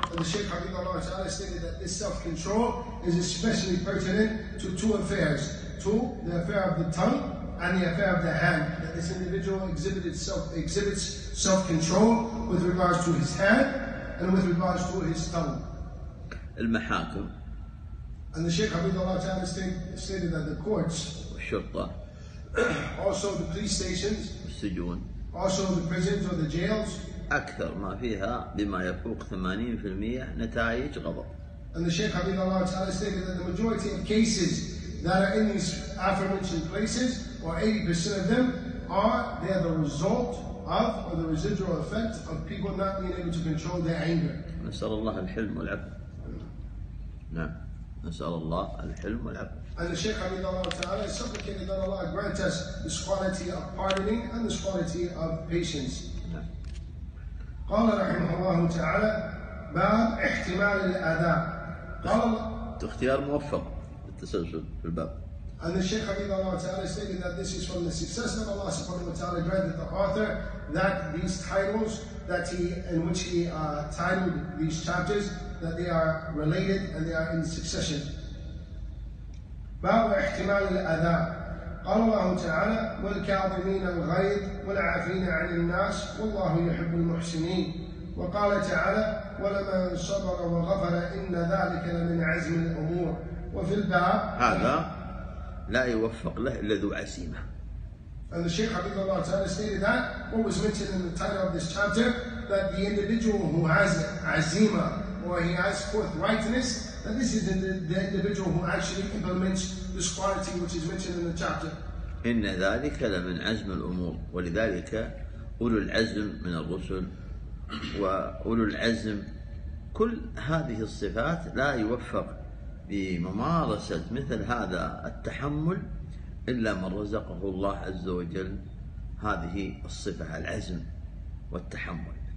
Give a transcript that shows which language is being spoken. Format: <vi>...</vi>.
<en>And the Shaykh Habibullah Ta'ala stated that this self-control is especially pertinent to two affairs, to the affair of the tongue and the affair of the hand, that this individual exhibits self-control with regards to his hand and with regards to his tongue.</en> <ar>المحاكم.</ar> <en>And the Shaykh Habibullah Ta'ala stated that the courts,</en> <ar>الشرطة,</ar> <en>also the police stations,</en> <ar>السجون,</ar> <en>also the prisons or the jails,</en> <ar>أكثر ما فيها بما يفوق 80% نتائج غضب.</ar> <en>And the Shaykh Habibullah Ta'ala stated that the majority of cases that are in these aforementioned places, or 80% of them, they are the result of or the residual effect of people not being able to control their anger.</en> <ar>نسأل الله الحلم والعفو. نعم. نسأل الله الحلم والعفو.</ar> <en>And the Shaykh Habibullah Ta'ala supplicated that Allah grant us this quality of pardoning and this quality of patience.</en> <ar>قال رحمه الله تعالى باب احتمال الأداء. قال اختيار موفق التسلسل في الباب.</ar> <en>And the Shaykh Habib Allah Ta'ala stated that this is from the success of Allah subhanahu wa ta'ala granted the author that these titles that he in which he titled these chapters that they are related and they are in succession.</en> <ar>باب احتمال الأداء. قال الله تعالى والكاظمين الغيظ والعافين عن الناس والله يحب المحسنين. وقال تعالى ولمن صبر وغفر إن ذلك لمن عزم الأمور. وفي الباب هذا لا يوفق له إلا ذو عزيمة.</ar> <en>And the Shaykh Habib Allah Ta'ala stated that what was mentioned in the title of this chapter that the individual who has azima or he has forthrightness, that this is the individual who actually implements this quality which is mentioned in the chapter.</en> <ar>إن ذلك لمن عزم الأمور. ولذلك أولو العزم من الرسل وأولو العزم كل هذه الصفات لا يوفق بممارسة مثل هذا التحمل إلا من رزقه الله عز وجل هذه الصفة العزم والتحمل.</ar>